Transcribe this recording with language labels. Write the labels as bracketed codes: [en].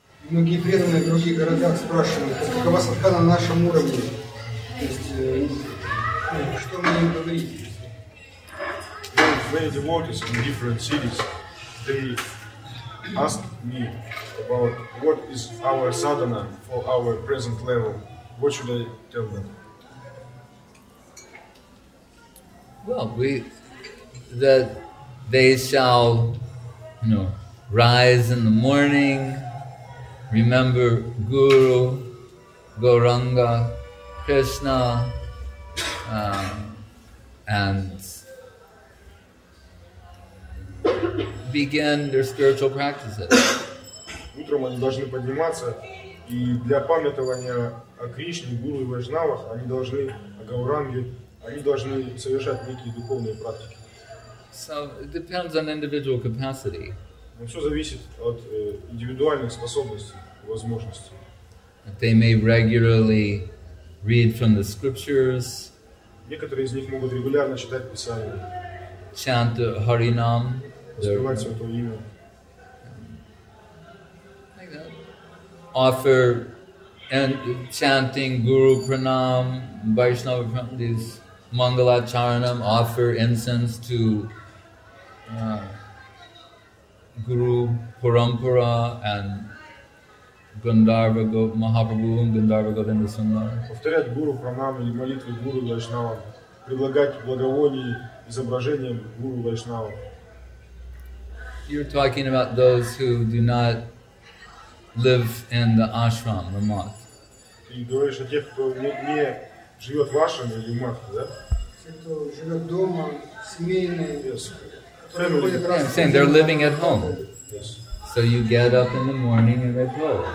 [ru] многие преданные в других городах спрашивают, какова садха на нашем уровне. То есть, что мне им говорить? [en] Many devotees in different cities, they ask me about what is our sadhana for our present level. What should I tell them? Well, they shall, you know, rise in the morning, remember Guru, Gauranga, Krishna, and begin their spiritual practices. [ru] Утром они должны подниматься, и для памятования о Кришне, Гуру и Вайшнавах, они должны о Гауранге, они должны совершать некие духовные практики. [en] So it depends on individual capacity. [ru] Но все зависит от индивидуальных способностей, возможностей. [en] That they may regularly read from the scriptures. [ru] Некоторые из них могут регулярно читать Писание. [en] Chant Харинам. [ru] Воспевать Святое Имя. [en] Offer and chanting Guru Pranam, Vaishnava Pranam, these Mangala Charanam, offer incense to Guru Parampara and Gandharva Mahaprabhu and Gandharva Govinda Sundara. [ru] Повторять Guru Pranam или молитвы Guru Vaishnava, предлагать благовоние изображениям Guru Vaishnava. [en] You're talking about those who do not live in the ashram, the mat. [ru] Ты говоришь о тех, кто не живет в ашраме или мат, да? Те, кто живет дома, семейные. [en] Yes. I'm saying they're living at home. Yes. So you get up in the morning and they go.